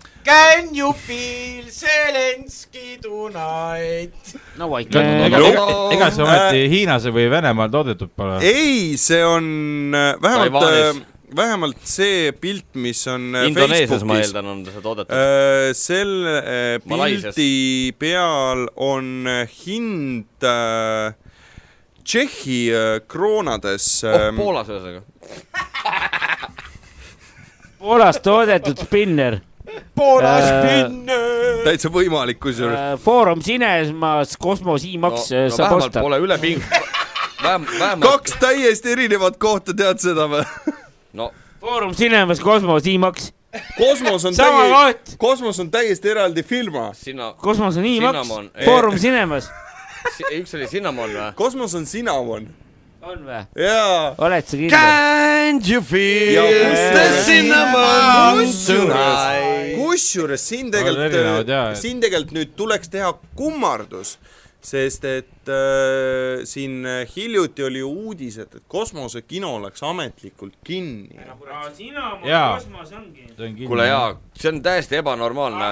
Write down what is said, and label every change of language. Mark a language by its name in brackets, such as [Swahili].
[English] Can you feel Zelenski tonight? [Estonian] No vaid. Ega see on hiinase või Venemaal toodetud pole? Ei, see on vähemalt vähemalt see pilt, mis on Indoneesias Facebookis, ma eeldan, on seda toodetud. Sel pilti peal on hind Tšehhi kroonades. Oh, Poolas ühesega. Poolas toodetud spinner. Poolas spinner! Täitsa võimalik, kui sul... Foorum Sinemas Kosmos IMAX no, no, saab osta. Pole üle ping... Kaks täiesti erinevat kohta, tead seda või? No. Foorum Sinemas Kosmos IMAX. Kosmos on sama koht. Kosmos on täiesti eraldi filma. Sina... Kosmos on IMAX. Foorum Sinemas. Üks oli Cinnamon või? Kosmos on Cinnamon. On või? Jaa. Oled sa kindel? [English] Can't you feel the cinnamon tonight? [Estonian] Kus juures siin tegelikult, siin tegelikult nüüd tuleks teha kummardus, sest et siin hiljuti oli uudised, et kosmose kino oleks ametlikult kinni. Aga Cinnamon ja kosmos ongi. Kuule jaa, see on täiesti ebanormaalne.